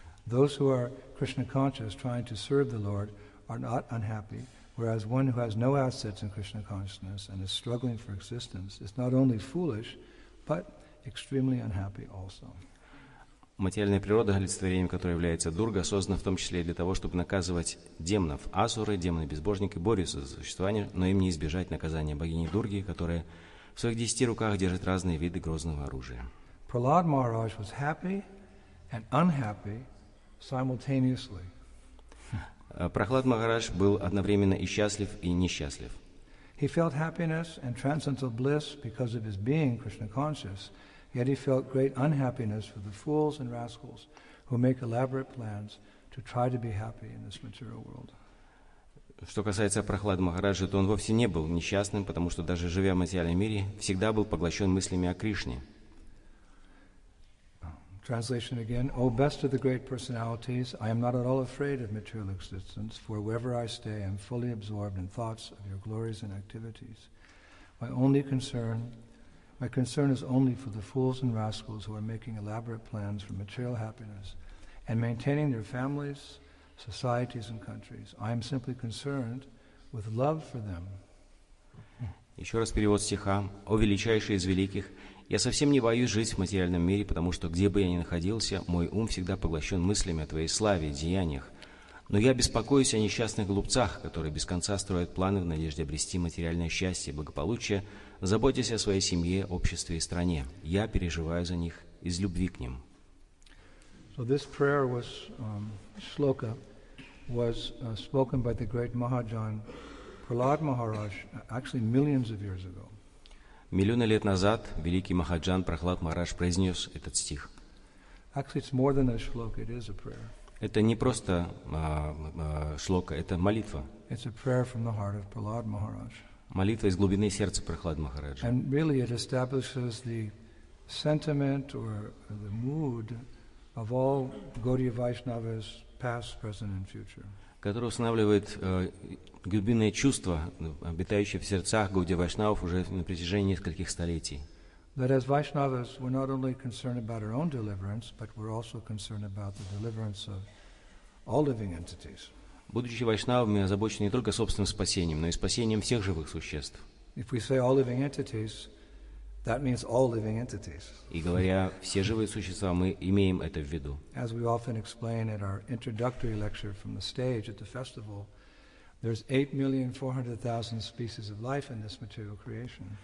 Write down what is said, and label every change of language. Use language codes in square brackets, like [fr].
[en] Those who are Krishna conscious, trying to serve the Lord, are not unhappy, whereas one who has no assets in Krishna consciousness and is struggling for existence is not only foolish, but extremely unhappy also. [ru] Материальная природа, олицетворением которой является Дурга, создана в том числе и для того, чтобы наказывать демонов. Асуры, демоны-безбожники, борются за существование, но им не избежать наказания богини Дурги, которая в своих 10 руках держит разные виды грозного оружия. [en] Prahlad Maharaj was happy and unhappy simultaneously. [ru] Прохлад Махарадж был одновременно и счастлив, и несчастлив. [en] He felt happiness and transcendental bliss because of his being Krishna conscious, yet he felt great unhappiness for the fools and rascals who make elaborate plans to try to be happy in this material world. [ru] Что касается Прохлад Махараджа, то он вовсе не был несчастным, потому что даже живя в материальном мире, всегда был поглощен мыслями о Кришне. [en] Translation again. O best of the great personalities, I am not at all afraid of material existence, for wherever I stay, I am fully absorbed in thoughts of your glories and activities. My concern is only for the fools and rascals who are making elaborate plans for material happiness and maintaining their families, societies, and countries. I am simply concerned with love for them. [ru] Еще раз перевод стиха. «О величайший из великих! Я совсем не боюсь жить в материальном мире, потому что где бы я ни находился, мой ум всегда поглощен мыслями о твоей славе и деяниях. Но я беспокоюсь о несчастных глупцах, которые без конца строят планы в надежде обрести материальное счастье и благополучие, заботясь о своей семье, обществе и стране. Я переживаю за них из любви к ним». [en] So this prayer was, shloka, was spoken by the great Mahajan Prahlad Maharaj actually millions of years ago. [ru] Миллионы лет назад великий Махаджан Прахлад Махарадж произнес этот стих. [en] Actually, it's more than a shloka, it is a prayer. [ru] Это не просто шлока, это молитва. [en] It's a prayer from the heart of Prahlad Maharaj. [ru] Молитва из глубины сердца Прахлад Махараджа. [en] And really it establishes the sentiment or the mood of all Gaudiya Vaishnavas, past, present and future. [ru] Который устанавливает глубинное чувство, обитающее в сердцах Гаудия Вайшнавов уже на протяжении нескольких столетий. [en] That as Vaishnavas, we're not only concerned about our own deliverance, but we're also concerned about the deliverance of all living entities. [ru] Будучи Вайшнавами, озабочены не только собственным спасением, но и спасением всех живых существ. [en] If we say all living entities, that means all living entities. [ru] И говоря все живые существа, мы имеем это в виду. [en] As we often explain in our introductory lecture from the stage at the festival, there's 8,400,000 species of life in this material creation.